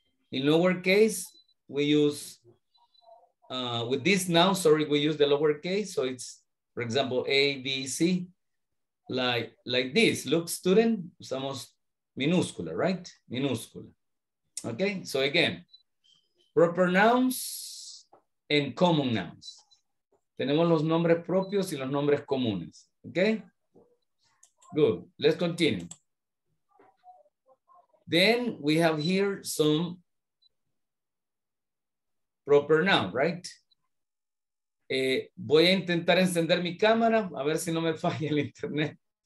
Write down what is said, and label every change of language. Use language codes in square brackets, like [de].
[en] In lowercase, we use, with this noun, sorry, we use the lowercase. So it's, for example, A, B, C, like this. Look, student, [es] usamos minúscula, [en] right? Minúscula. Okay, so again, proper nouns and common nouns. [es] Tenemos los nombres propios y los nombres comunes. [en] Okay, good. Let's continue. Then we have here some proper noun, right? [es] Voy a intentar encender mi cámara, a ver si no me falla el internet.